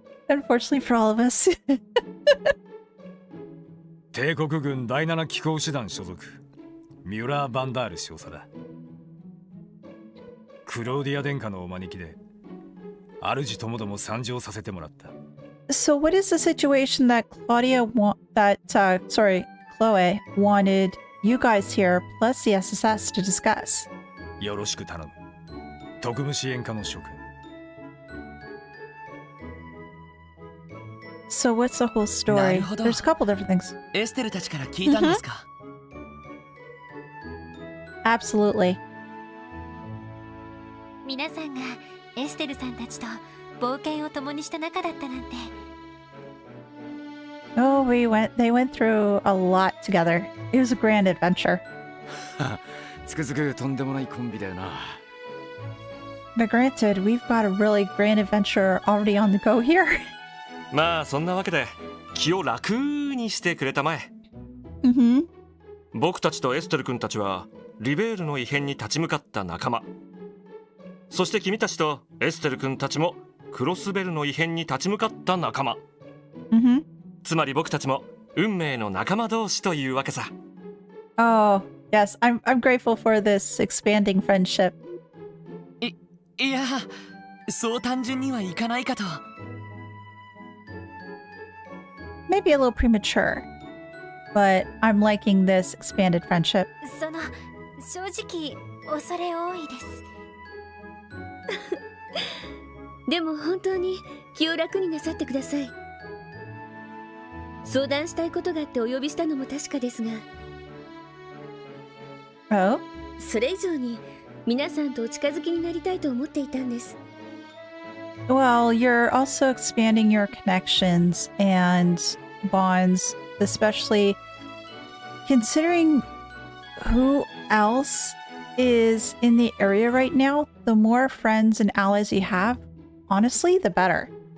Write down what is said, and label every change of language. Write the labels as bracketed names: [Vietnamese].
[English] Unfortunately for all of us. [Japanese] 帝国軍第七機甲師団所属、ミュラー・バンダール少佐だ。クローディア殿下のお招きで、主ともども参上させてもらった。 [English] So what is the situation that Claudia Chloe wanted you guys here plus the SSS to discuss? [Japanese] よろしく頼む。特務支援課の諸君。 [English] So what's the whole story? There's a couple different things. [Japanese] エステルたちから聞いたんですか? [English] Absolutely. [Japanese] 皆さんがエステルさんたちと冒険を共にした仲だったなんて。 [English] Oh, we went. They went through a lot together. It was a grand adventure. [Japanese] つくづくとんでもないコンビだよな。 [English] But granted, we've got a really grand adventure already on the go here. [Japanese] まあそんなわけで気を楽にしてくれたまえ。僕たちとエステル君たちはリベールの異変に立ち向かった仲間。そして君たちとエステル君たちもクロスベルの異変に立ち向かった仲間。つまり僕たちも運命の仲間同士というわけさ。 [English] Oh, yes, I'm grateful for this expanding friendship. [Japanese] いや、そう単純にはいかないかと。 [English] Maybe a little premature, but I'm liking this expanded friendship. [Japanese] その、正直、恐れ多いです。でも本当に気を楽になさってください。相談したいことがあってお呼びしたのも確かですが。 [English] Oh? [Japanese] それ以上に、皆さんとお近づきになりたいと思っていたんです。 [English] Well, you're also expanding your connections and bonds, especially considering who else is in the area right now. The more friends and allies you have, honestly, the better.